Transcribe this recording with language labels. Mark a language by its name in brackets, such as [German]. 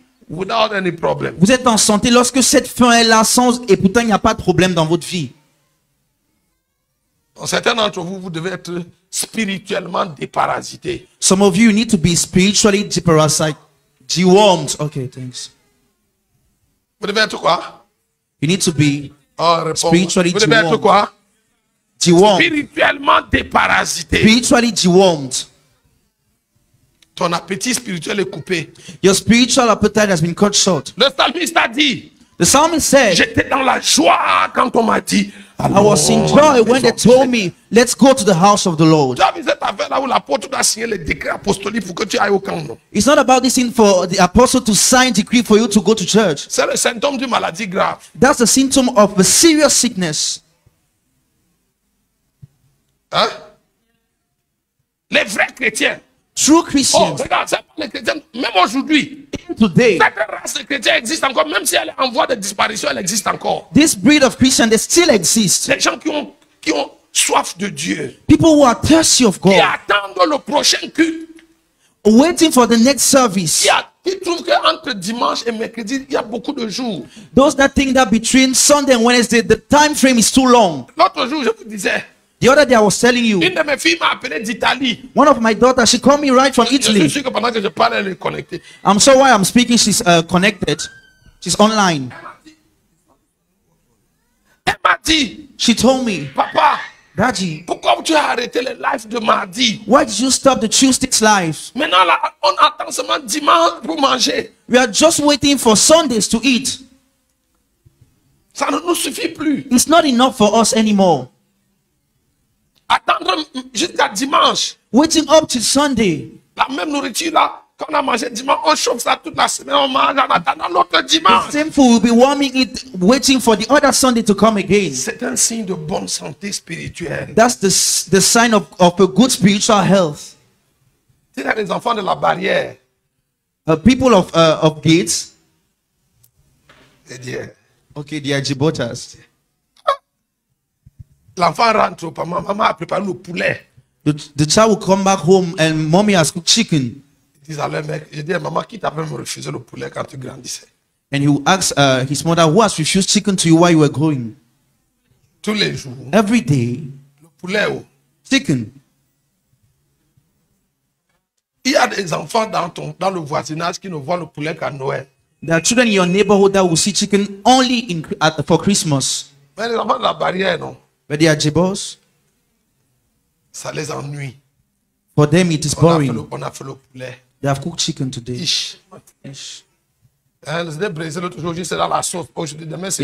[French] Vous êtes en santé lorsque cette faim est là sans, et pourtant il n'y a pas de problème dans votre vie. Certains d'entre vous, vous devez être spirituellement déparasité. [English] Some of you, you need to be spiritually deparasite, dewormed. Okay, thanks. [French] Vous devez être quoi? [English] You need to be spiritually [French] vous devez être quoi? [English] Dewormed. [French] Spirituellement déparasité. [English] Spiritually dewormed. [French] Ton appétit spirituel est coupé. [English] Your spiritual appetite has been cut short. [French] Le psalmiste a dit. [English] The psalmist said. [French] J'étais dans la joie quand on m'a dit. [English] I was in joy when they told me, let's go to the house of the Lord. It's not about this thing for the apostle to sign decree for you to go to church. That's a symptom of a serious sickness. [French] Huh? Les vrais chrétiens. [English] True Christians. [French] Oh, regarde, c'est pas les chrétiens. Même aujourd'hui, [English] today, [French] cette race de chrétiens existe encore. Même si elle est en voie de disparition, elle existe encore. [English] This breed of Christians, they still exist. [French] Les gens qui ont soif de Dieu. [English] People who are thirsty of God. [French] Qui attendent le prochain culte. [English] Waiting for the next service. [French] Qui trouvent que entre dimanche et mercredi, il y a beaucoup de jours. [English] Those that think that between Sunday and Wednesday, the time frame is too long. [French] L'autre jour, je vous disais. [English] The other day I was telling you. [French] Une de mes filles m'a appelé d'Italie. [English] One of my daughters, she called me right from Italy. [French] Je sais que pendant que je parle, elle est connectée. [English] I'm sure while I'm speaking, she's connected. She's online. [French] Elle m'a dit. [English] She told me. [French] Papa. [English] Daddy. [French] Pourquoi tu as arrêté les lives de mardi? [English] Why did you stop the Tuesday's lives? [French] Maintenant là, on attend seulement dimanche pour manger. [English] We are just waiting for Sundays to eat. [French] Ça ne nous suffit plus. [English] It's not enough for us anymore. [French] Attendre jusqu'à dimanche. [English] Waiting up to Sunday. [French] La même nourriture là, quand on a mangé dimanche, on chauffe ça toute la semaine, on mange en attendant l'autre dimanche. [English] The same food will be warming it, waiting for the other Sunday to come again. [French] C'est un signe de bonne santé spirituelle. [English] That's the sign of a good spiritual health. [French] C'est là les enfants de la barrière. [English] People of gates. Yeah. Okay, the Ajibotas. [French] L'enfant rentre, maman a préparé le poulet. [English] The child will come back home and mommy has cooked chicken. [French] Il dit à leur mec, je dis à maman, qui t'a même refusé le poulet quand tu grandissais? [English] And he will ask his mother, who has refused chicken to you while you were growing? [French] Tous les jours. [English] Every day. [French] Le poulet où? [English] Chicken. [French] Il y a des enfants dans le voisinage qui ne voient le poulet qu'à Noël. [English] There are children in your neighborhood that will see chicken only for Christmas. [French] Mais les enfants de la barrière, non? [English] But the Ajibos, [French] ça les ennuie. [English] For them, it is boring. [French] On a fait le poulet. [English] They have cooked chicken today. Ish. Ish. [French] Ils étaient brisés l'autre jour. C'est dans la sauce. Aujourd'hui, demain, c'est.